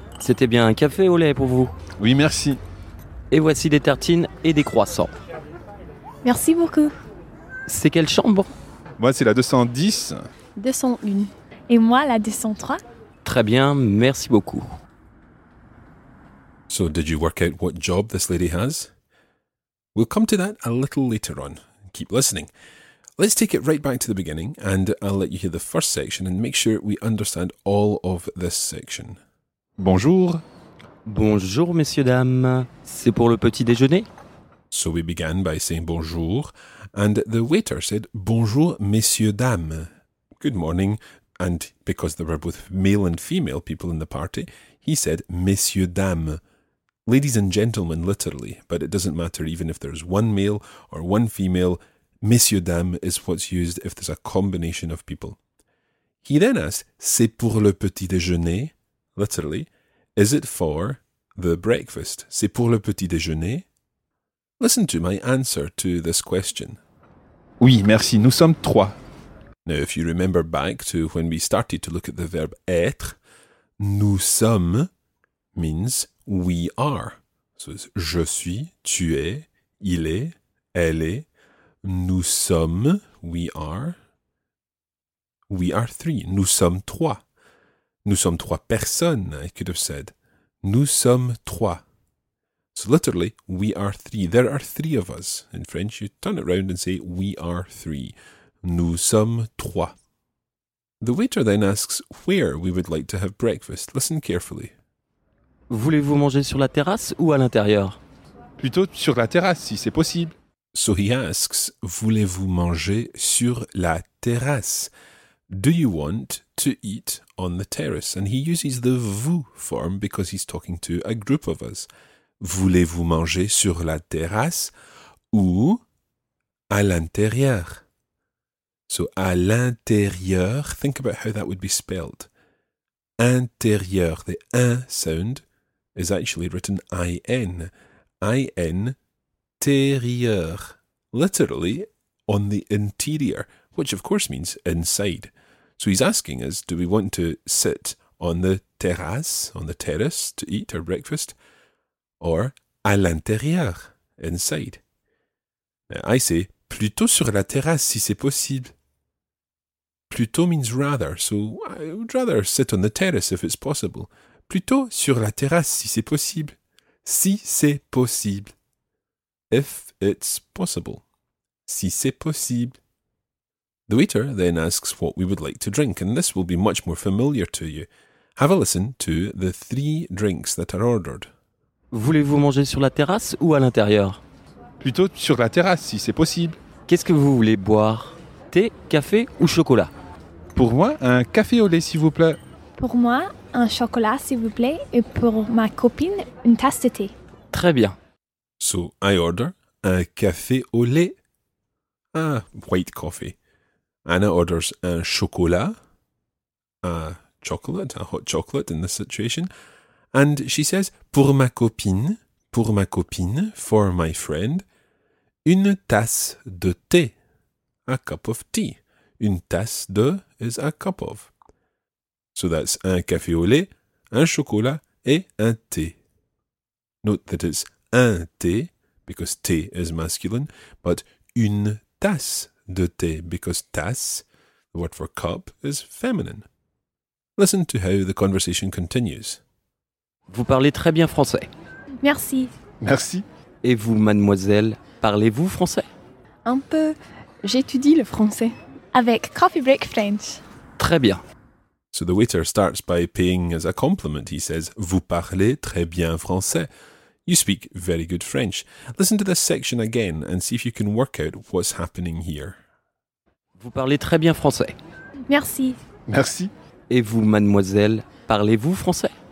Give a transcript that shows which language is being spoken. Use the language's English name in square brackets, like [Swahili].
[French] C'était bien un café au lait pour vous? Oui, merci. Et voici des tartines et des croissants. Merci beaucoup. C'est quelle chambre? Moi, c'est la 210. 201. Et moi, la 203. Très bien, merci beaucoup. [English] So, did you work out what job this lady has? We'll come to that a little later on. Keep listening. Let's take it right back to the beginning and I'll let you hear the first section and make sure we understand all of this section. [French] Bonjour. Bonjour, messieurs, dames. C'est pour le petit déjeuner? [English] So we began by saying bonjour, and the waiter said [French] bonjour, messieurs, dames. [English] Good morning. And because there were both male and female people in the party, he said [French] messieurs, dames. [English] Ladies and gentlemen, literally, but it doesn't matter even if there's one male or one female. [French] Messieurs, dames [English] is what's used if there's a combination of people. He then asked, [French] c'est pour le petit déjeuner? [English] Literally, is it for The breakfast, [French] c'est pour le petit déjeuner? [English] Listen to my answer to this question. [French] Oui, merci, nous sommes trois. [English] Now, if you remember back to when we started to look at the verb être, [French] nous sommes [English] means we are. So it's [French] je suis, tu es, il est, elle est, nous sommes, [English] we are three, [French] nous sommes trois. Nous sommes trois personnes, [English] I could have said. [French] Nous sommes trois. [English] So literally, we are three. There are three of us. In French, you turn it around and say, we are three. [French] Nous sommes trois. [English] The waiter then asks where we would like to have breakfast. Listen carefully. [French] Voulez-vous manger sur la terrasse ou à l'intérieur? Plutôt sur la terrasse, si c'est possible. [English] So he asks, [French] voulez-vous manger sur la terrasse? [English] Do you want to eat on the terrace? And he uses the vous form because he's talking to a group of us. [French] Voulez-vous manger sur la terrasse ou à l'intérieur? [English] So, [French] à l'intérieur, [English] think about how that would be spelled. Intérieur, the un sound is actually written I-N. I-N-térieur. Literally, on the interior, which of course means inside. So he's asking us, do we want to sit on the terrace to eat our breakfast, or [French] à l'intérieur, [English] inside? Now I say, [French] plutôt sur la terrasse, si c'est possible. [English] Plutôt means rather, so I would rather sit on the terrace if it's possible. [French] Plutôt sur la terrasse, si c'est possible. Si c'est possible. [English] If it's possible. [French] Si c'est possible. [English] The waiter then asks what we would like to drink, and this will be much more familiar to you. Have a listen to the three drinks that are ordered. [French] Voulez-vous manger sur la terrasse ou à l'intérieur? Plutôt sur la terrasse, si c'est possible. Qu'est-ce que vous voulez boire? Thé, café ou chocolat? Pour moi, un café au lait, s'il vous plaît. Pour moi, un chocolat, s'il vous plaît. Et pour ma copine, une tasse de thé. Très bien. [English] So, I order [French] un café au lait. [English] Ah, white coffee. Anna orders [French] un chocolat, [English] a chocolate, a hot chocolate in this situation. And she says, [French] pour ma copine, [English] for my friend, [French] une tasse de thé, [English] a cup of tea. [French] Une tasse de [English] is a cup of. So that's [French] un café au lait, un chocolat et un thé. [English] Note that it's [French] un thé, [English] because thé is masculine, but [French] une tasse de thé, [English] because tasse, the word for cup, is feminine. Listen to how the conversation continues. [French] Vous parlez très bien français. Merci. Merci. Et vous, mademoiselle, parlez-vous français? Un peu. J'étudie le français. Avec Coffee Break French. Très bien. [English] So the waiter starts by paying as a compliment. He says, [French] vous parlez très bien français. [English] You speak very good French. Listen to this section again and see if you can work out what's happening here. [French] Vous parlez très bien français. Merci. Merci. Et vous, mademoiselle, parlez-vous français?